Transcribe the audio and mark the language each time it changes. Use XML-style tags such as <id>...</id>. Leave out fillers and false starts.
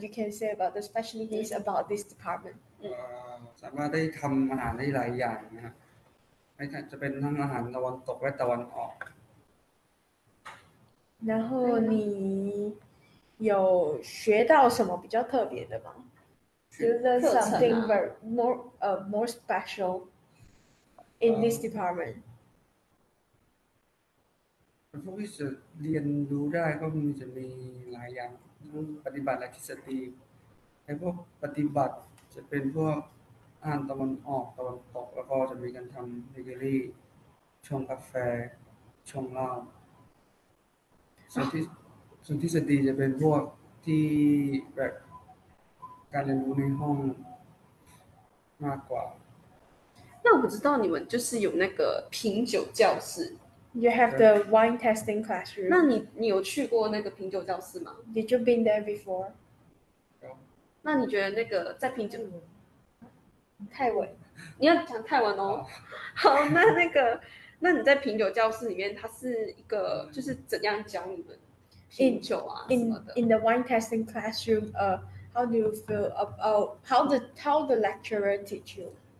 <en>You can say about the specialties about this department.</en> <th>สามารถได้ทำอาหารได้หลายอย่างนะครับไม่ว่าจะเป็นทั้งอาหารตะวันตกและตะวันออก</th> <zh>然后你有学到什么比较特别的吗？</zh> <en>You learn something very more more special in this department.</en> <th>พวกที่จะเรียนรู้ได้ก็มีจะมีหลายอย่างทั้งปฏิบัติและทฤษฎีไอ้พวกปฏิบัติจะเป็นพวกอ่านตะวันออกตะวันตกแล้วก็จะมีการทำเบเกอรี่ชงกาแฟชงเหล้าส่วนทฤษฎีจะเป็นพวกที่แบบการเรียนรู้ในห้องมากกว่า</th> <zh>那我知道你们就是有那个品酒教室</zh> <en>You have the wine tasting classroom</en> <zh>那你有去过那个品酒教室吗</zh> <en>Did you been there before?</en> <zh>有那你觉得那个在品酒泰文你要讲泰文哦好那个那你在品酒教室里面它是一个就是怎样教你们品酒啊什么的</zh> <en>in the wine tasting classroom how do you feel about how the lecturer teach you</en>